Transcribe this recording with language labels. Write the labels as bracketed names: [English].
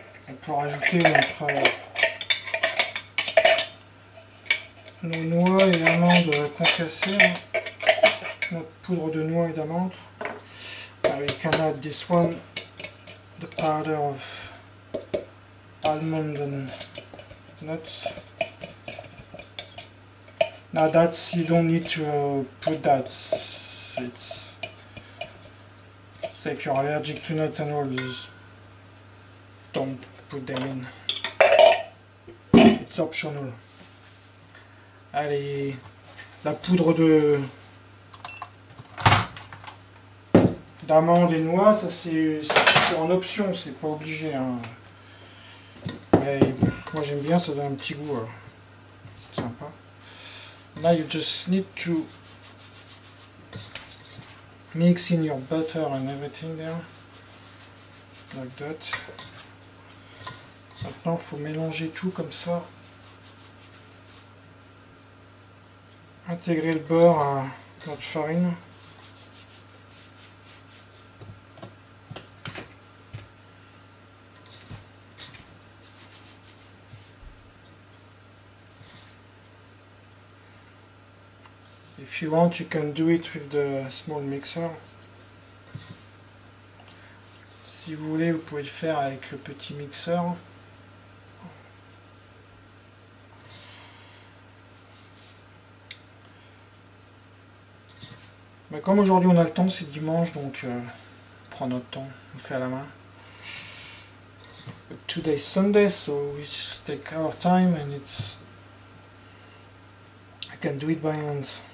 [French] On peut rajouter notre nos noix et amandes concassées, hein. Notre poudre de noix et d'amandes. [English] We can add this one, the powder of almond and nuts. Now that you don't need to put that, it's so if you're allergic to nuts and all, just don't put them in. It's optional. [French] Allez, la poudre de d'amandes et noix, ça c'est en option, c'est pas obligé. Hein. Mais moi j'aime bien, ça donne un petit goût sympa. [English] Now you just need to mix in your butter and everything there, like that. [French] Maintenant, faut mélanger tout comme ça, intégrer le beurre à notre farine. [English] If you want, you can do it with the small mixer. [French] Si vous voulez, vous pouvez le faire avec le petit mixeur. Mais comme aujourd'hui on a le temps, c'est dimanche, donc on prend notre temps, on fait à la main. [English] But today is Sunday, so we just take our time and it's I can do it by hand.